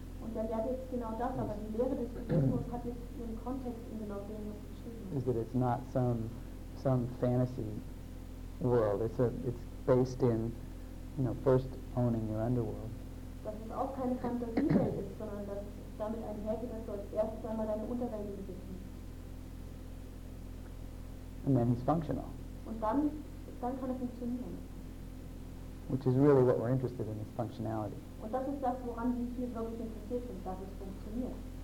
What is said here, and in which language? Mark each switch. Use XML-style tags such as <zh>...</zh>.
<de>Und er lehrt jetzt genau das, aber die Lehre des Buddhismus hat jetzt ihren Kontext in genau dem, was geschrieben ist.</de> <en>Is that it's not some fantasy world. It's based in, you know, first owning your underworld.</en> <de>Dass es auch keine Fantasiewelt ist, sondern dass damit einhergeht, dass du als erstes einmal deine Unterwelt besitzen.</de> <en>And then he's functional.</en> <de>Und dann kann er funktionieren.</de> <en>Which is really what we're interested in, is functionality.</en> <de>Und das ist das, woran wir hier wirklich interessiert sind, dass es funktioniert.</de>